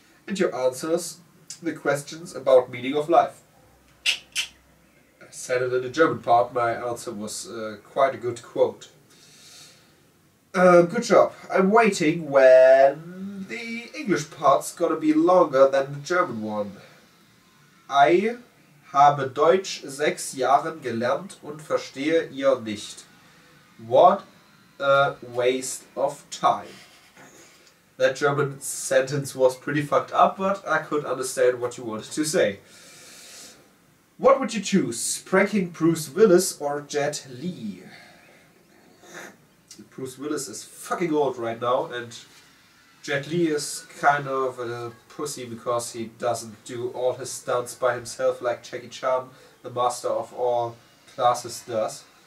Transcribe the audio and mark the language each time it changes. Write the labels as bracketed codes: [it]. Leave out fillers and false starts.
[en] And your answers. The questions about meaning of life. I said it in the German part, my answer was quite a good quote. Good job. I'm waiting when the English part's gonna be longer than the German one. [de] I habe Deutsch 6 Jahren gelernt und verstehe ihr nicht. [en] What a waste of time. That German sentence was pretty fucked up, but I could understand what you wanted to say. What would you choose? Pranking Bruce Willis or Jet Li? Bruce Willis is fucking old right now, and Jet Li is kind of a pussy because he doesn't do all his stunts by himself like Jackie Chan, the master of all classes, does.